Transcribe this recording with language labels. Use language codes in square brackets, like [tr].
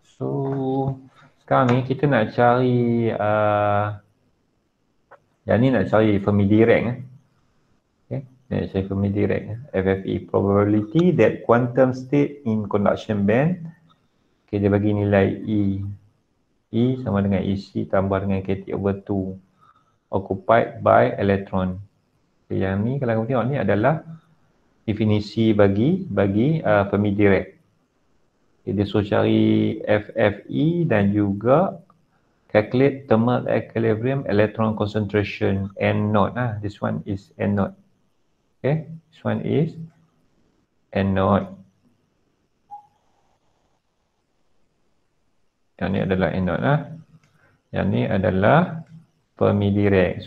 [ms] So sekarang ni kita nak cari yang ni nak cari Fermi Dirac. Okay. Nak cari Fermi Dirac. [en] FFE, probability that quantum state in conduction band. [ms] Okay, dia bagi nilai E. E sama dengan EC tambah dengan KT over 2. [en] Occupied by electron. [ms] Okay, yang ni kalau kamu tengok ni adalah definisi bagi Fermi Dirac. Okay, dia suruh cari FFE dan juga [en] calculate thermal equilibrium electron concentration N naught. Ah, this one is N naught. Okay, this one is N naught. [ms] Yang ni adalah N naught lah. Yang ni adalah Fermi Dirac.